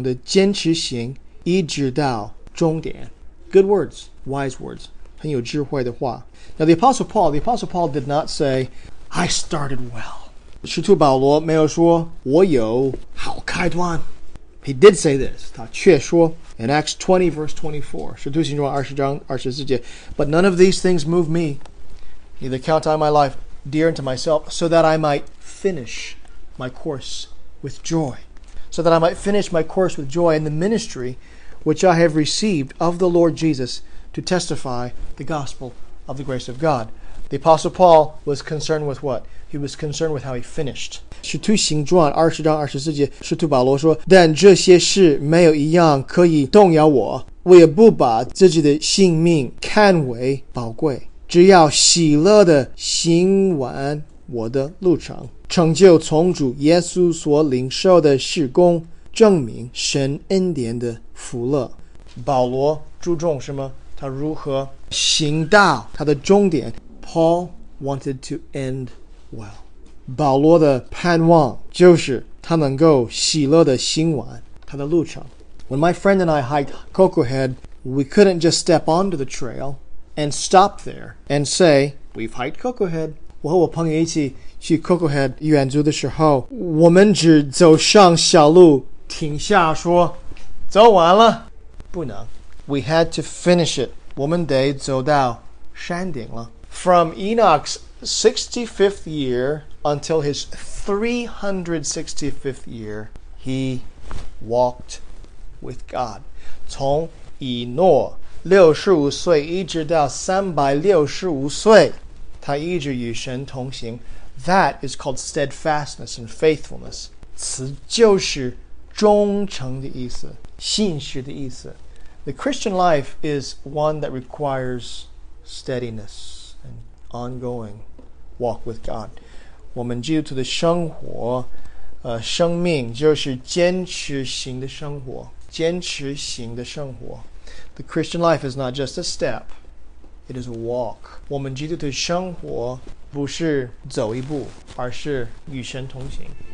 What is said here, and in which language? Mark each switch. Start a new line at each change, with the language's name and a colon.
Chinese: 他说有好开端不错，更好的是忠诚的坚持行，一直到终点。
English: Good words, wise words,
Chinese: 很有智慧的话.
English: Now the Apostle Paul did not say, I started well.
Chinese: 使徒保罗没有说我有好开端.
English: He did say this,
Chinese: 他却说,
English: in Acts 20, verse 24,
Chinese: 使徒行传20章24节,
English: but none of these things move me, neither count I my life dear unto myself, so that I might finish my course with joy. So that I might finish my course with joy in the ministry which I have received of the Lord Jesus to testify the gospel of the grace of God. The Apostle Paul was concerned with what? He was concerned with how he finished.
Chinese: 使徒行传20章24节, 使徒保罗说, 但这些事没有一样可以动摇我, 我也不把自己的性命看为宝贵, 只要喜乐地行完我的路程, 成就从主耶稣所领受的事工, 证明神恩典的福乐。保罗注重什么?他如何行道, 他的终点。
English: Paul wanted to end well.
Chinese: 保罗的盼望就是他能够喜乐的行完他的路程。
English: When my friend and I hiked Cocoa Head, we couldn't just step onto the trail and stop there and say, we've hiked Cocoa Head.
Chinese: 我和我朋友一起去Cocoa Head远足的时候, 我们只走上小路, 停下说, 走完了。不能。
English: We had to finish it.
Chinese: 我们得走到山顶了。
English: From Enoch's 65th year until his 365th year, he walked with God.
Chinese: 从以诺65岁一直到365岁,他一直与神同行.
English: That is called steadfastness and faithfulness.
Chinese: 此就是忠诚的意思,信实的意思.
English: The Christian life is one that requires steadiness and ongoing walk with God.
Chinese: 我们基督徒的生活,生命就是坚持行的生活。坚持行的生活.
English: The Christian life is not just a step, it is a walk.
Chinese: 我们基督徒的生活不是走一步,而是与神同行。